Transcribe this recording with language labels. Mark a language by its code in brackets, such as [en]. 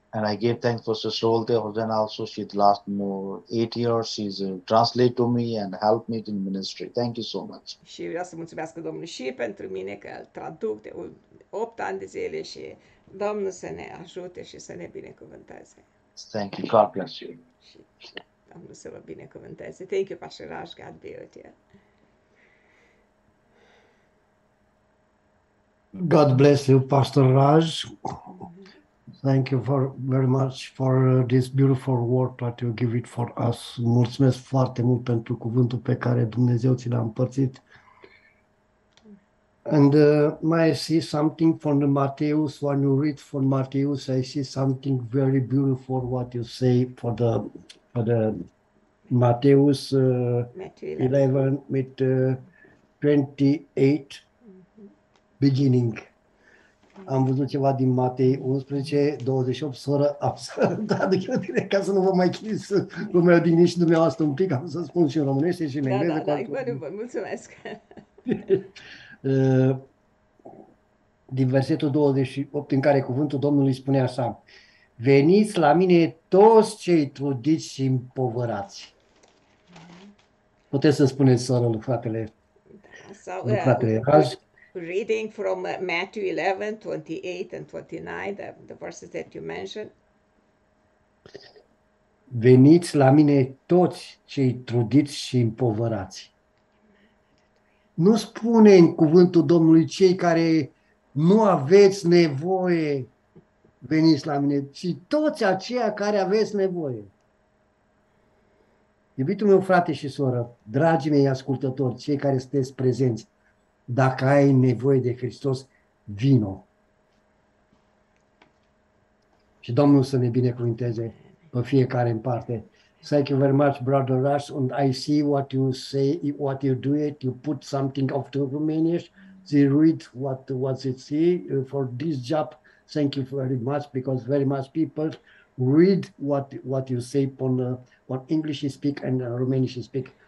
[en] And I give thanks for Sister Olga Hosen also. She's last more 8 years. She's translated to me and helped me in ministry. Thank you so much. [ro] Și vreau să mulțumesc Domnului și pentru mine că îl traduc de 8 ani de zile și Domnul să ne ajute și să ne binecuvânteze. [en] Thank you. God bless you. [ro] Și Domnul să vă binecuvânteze. [en] Thank you, Pastor Raj. God be with you. God bless you, Pastor Raj. Thank you for very much for this beautiful word that you give it for us. [ro] Mulțumesc foarte mult pentru cuvântul pe care Dumnezeu ți l-a împărțit. [en] And I see something from the Matthäus. When you read from Matthäus, I see something very beautiful what you say for the Matthäus 11 with 28 beginning. [ro] Am văzut ceva din Matei 11, 28, soră, am să traduc eu direct ca să nu vă mai chinez lumea din nici dumneavoastră un pic, am să spun și în românește și în engleză. Da, da, da, vă mulțumesc. Din versetul 28, în care cuvântul Domnului spune așa, veniți la mine toți cei trudiți și împovărați. Puteți să-mi spuneți, soră, lui fratele, fratele Raj. [en] Reading from Matthew 11, 28 and 29, the verses that you mentioned. [ro] Veniți la mine toți cei trudiți și împovărați. Nu spune în cuvântul Domnului cei care nu aveți nevoie, veniți la mine, ci toți aceia care aveți nevoie. Iubitul meu, frate și soră, dragii mei ascultători, cei care sunteți prezenți, dacă ai nevoie de Hristos, vino. Și Domnul să ne binecuvinteze pe fiecare în parte. [en] Thank you very much, Brother Rush, and I see what you say, what you do it, you put something off to Romanian, they read what it say for this job. Thank you very much, because very much people read what you say on what English you speak and Romanian you speak.